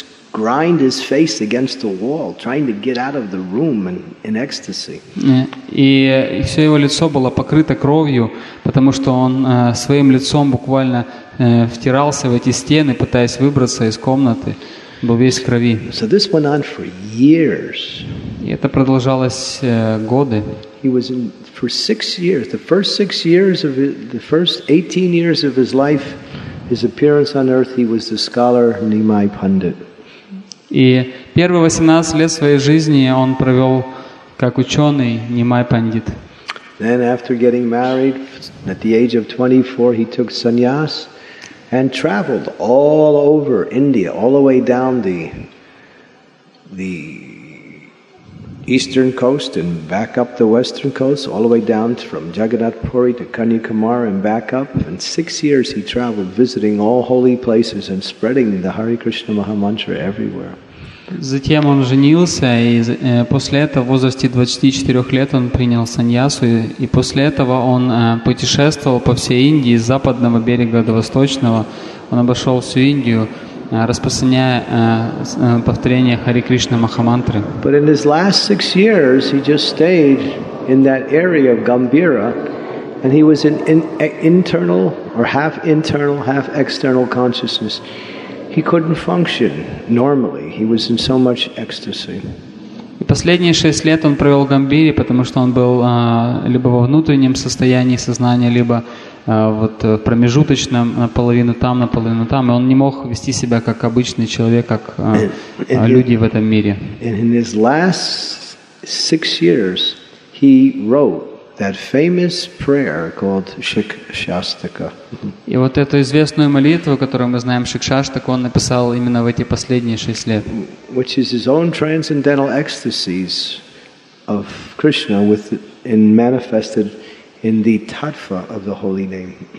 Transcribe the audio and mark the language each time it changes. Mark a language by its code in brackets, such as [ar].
[en] Grind his face against the wall, trying to get out of the room in ecstasy. [ru] И все его лицо было покрыто кровью, потому что он своим лицом буквально втирался в эти стены, пытаясь выбраться из комнаты, был весь в крови. [en] So this went on for years. [ru] И это продолжалось годы. [en] He was in for 6 years. The first 6 years of the first 18 years of his life, his appearance on earth, he was the scholar Nimai Pandit. [ru] И первые 18 лет своей жизни он провел как ученый Нимай Пандит. [en] Then after getting married, at the age of 24, he took sannyas and traveled all over India, all the way down the eastern coast and back up the western coast, all the way down from Jagannath Puri to Kanyakumari and back up. In 6 years he traveled visiting all holy places and spreading the Hare Krishna Mahamantra everywhere. [ru] Затем он женился, и после этого, в возрасте 24 лет, он принял саньясу, и после этого он путешествовал по всей Индии, с западного берега до восточного. Он обошел всю Индию, распространяя повторение Хари Кришна Махамантры. [en] But in his last 6 years, he just stayed in that area of Gambira, and he was internal, or half internal, half external consciousness. He couldn't function normally. He was in so much ecstasy. [ru] И последние 6 лет он провел в Гамбире, потому что он был либо во внутреннем состоянии сознания, либо вот в промежуточном, наполовину там, и он не мог вести себя как обычный человек, как люди в этом мире. [en] And in his last 6 years, he wrote that famous prayer called Shikshastaka. [ru] И вот эту известную молитву, которую мы знаем, Шикшаштака, он написал именно в эти последние 6 лет. [en] Which is his own transcendental ecstasies of Krishna and manifested in the tattva of the holy name.